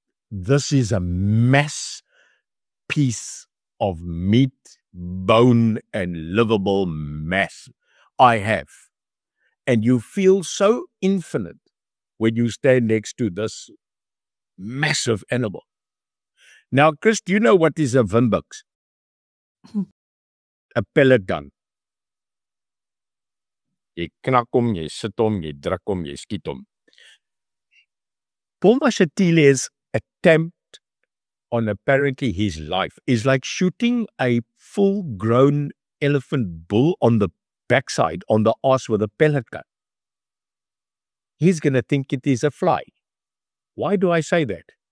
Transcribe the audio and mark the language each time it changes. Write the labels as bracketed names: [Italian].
[English] This is a mass piece of meat, bone, and livable mass I have. And you feel so infinite when you stand next to this massive animal. Now, Chris, do you know what is a Vimbux? A pellet gun. [Afrikaans] Jy knak hom, jy sit hom, jy druk hom, jy skiet hom. [English] Paul Mashatile's attempt on apparently his life is like shooting a full-grown elephant bull on the backside, on the ass with a pellet gun. He's going to think it is a fly. Why do I say that?